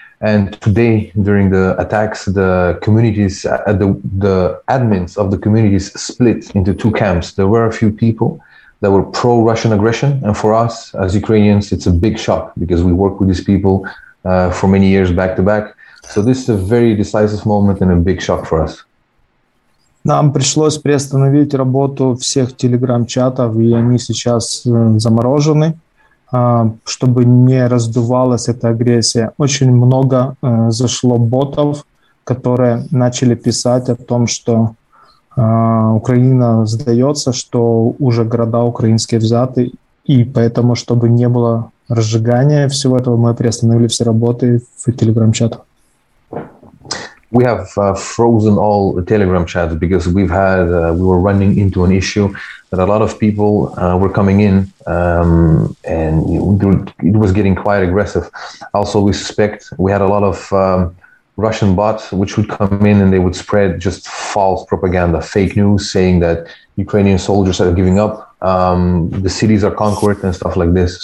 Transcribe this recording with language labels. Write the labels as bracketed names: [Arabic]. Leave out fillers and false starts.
[English] And today, during the attacks, the communities, the admins of the communities split into two camps. There were a few people that were pro-Russian aggression. And for us, as Ukrainians, it's a big shock because we work with these people for many years back to back. So this is a very decisive moment and a big shock for us. [Russian] Нам пришлось приостановить работу всех телеграм-чатов, и они сейчас заморожены, чтобы не раздувалась эта агрессия. Очень много зашло ботов, которые начали писать о том, что Украина сдается, что уже города украинские взяты, и поэтому, чтобы не было разжигания всего этого, мы приостановили все работы в телеграм-чатах. [English] We have frozen all the Telegram chats because we were running into an issue that a lot of people were coming in and it was getting quite aggressive. Also, we suspect we had a lot of Russian bots which would come in and they would spread just false propaganda, fake news saying that Ukrainian soldiers are giving up, the cities are conquered and stuff like this.